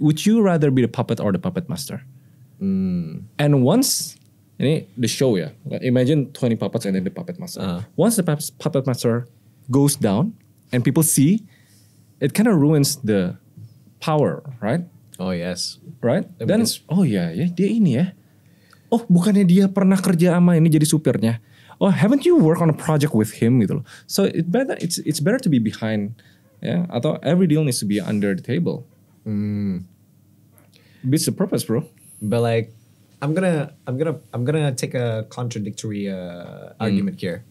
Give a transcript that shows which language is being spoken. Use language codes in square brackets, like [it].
[en] Would you rather be the puppet or the puppet master? Mm. And once, [id] ini [en] the show ya. Imagine 20 puppets and then the puppet master. Once the puppet master goes down and people see, it kind of ruins the power, right? Oh yes. Right? Then, oh yeah, yeah, [id] dia ini ya. Oh, bukannya dia pernah kerja sama ini jadi supirnya. [en] Oh, haven't you worked on a project with him [id] gitu loh. [en] So it's better to be behind, yeah. [id] Atau [en] every deal needs to be under the table. Hmm. Beats the purpose, bro. But like, I'm gonna take a contradictory argument here.